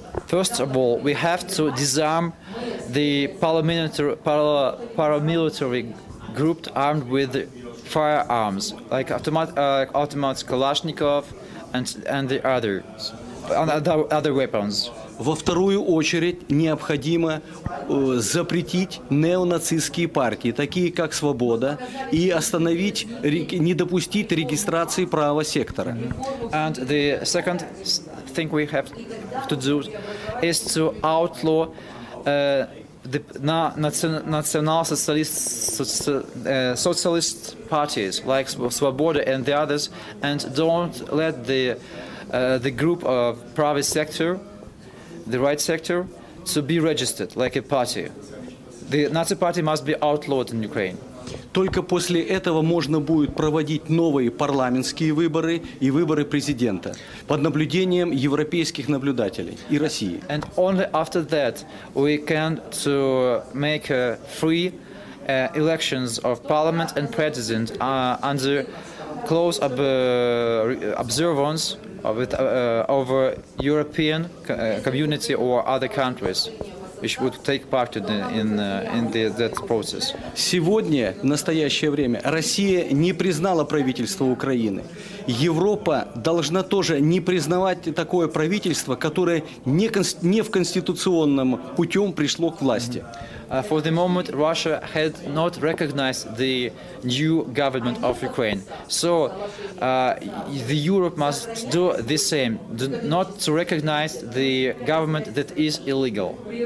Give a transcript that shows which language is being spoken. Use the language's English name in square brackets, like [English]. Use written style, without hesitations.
[English] First of all, we have to disarm the paramilitary group armed with firearms, like automatic Kalashnikov. And the other weapons. [Russian] Во вторую очередь необходимо запретить неонацистские партии, такие как «Свобода», и не допустить регистрации правого сектора. [English] And the second thing we have to do is to outlaw the national socialist parties like Svoboda and the others, and don't let the group of private sector, the right sector, to be registered like a party. The Nazi party must be outlawed in Ukraine. [Russian] Только после этого можно будет проводить новые парламентские выборы и выборы президента под наблюдением европейских наблюдателей и России. [English] And only after that we can to make free elections of parliament and president under close observance of European community or other countries. Which would take part in that process. [Russian] Сегодня, в настоящее время, Россия не признала правительство Украины. Европа должна тоже не признавать такое правительство, которое не в конституционном путем пришло к власти. [English] For the moment, Russia had not recognized the new government of Ukraine. So the Europe must do the same, not to recognize the government that is illegal.